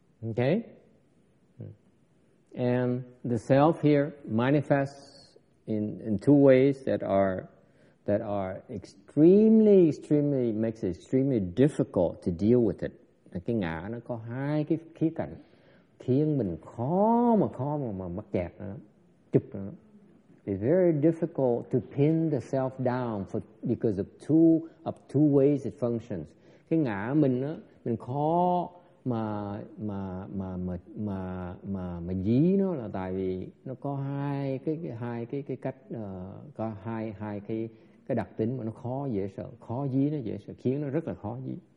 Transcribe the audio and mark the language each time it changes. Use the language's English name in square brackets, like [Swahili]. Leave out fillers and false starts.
[English] Okay? And the self here manifests in two ways that are extremely makes it extremely difficult to deal with it. [Vietnamese] Cái ngã nó có hai cái khía cạnh khiến mình khó mà mắc kẹt nó lắm, chụp nó lắm. [English] It's very difficult to pin the self down because of two ways it functions. [Vietnamese] Cái ngã mình á, mình khó mà dí nó là tại vì nó có hai cái đặc tính mà nó khó dễ sợ, khó dí nó dễ sợ, khiến nó rất là khó dí.